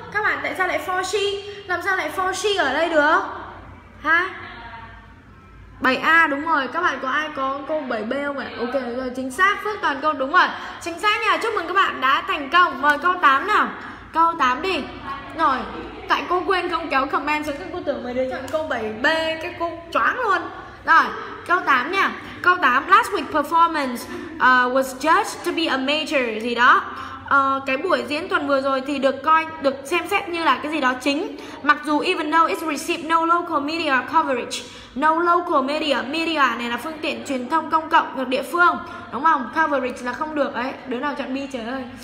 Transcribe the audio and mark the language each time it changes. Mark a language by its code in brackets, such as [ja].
[vi] Các bạn tại sao lại [en] for she? [vi] Làm sao lại for she ở đây được? Ha? 7A đúng rồi. Các bạn có ai có câu 7B không ạ? Ok rồi, chính xác. Phước toàn câu đúng rồi. Chính xác nha. Chúc mừng các bạn đã thành công. Mời câu 8 nào. Câu 8 đi. Rồi. Tại cô quên không kéo comment xuống. Các cô tưởng mấy đứa chọn câu 7B. Các cô choáng luôn. Rồi. Câu 8 nha. Câu 8. [en] Last week performance was judged to be a major [vi] gì đó. Cái buổi diễn tuần vừa rồi thì được coi, được xem xét như là cái gì đó chính. Mặc dù [en] even though it received no local media coverage. No local media, [vi] media này là phương tiện truyền thông công cộng hoặc địa phương, đúng không? Coverage là không được ấy. Đứa nào chọn B trời ơi.